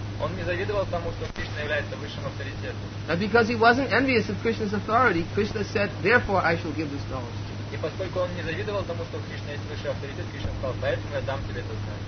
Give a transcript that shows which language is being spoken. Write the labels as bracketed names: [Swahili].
[Russian] Он не завидовал тому, что Кришна является высшим авторитетом. [English] And because he wasn't envious of Krishna's authority, Krishna said, "Therefore, I shall give this knowledge." [Russian] И поскольку он не завидовал тому, что Кришна есть высший авторитет, Кришна сказал, "Поэтому я дам тебе это знание."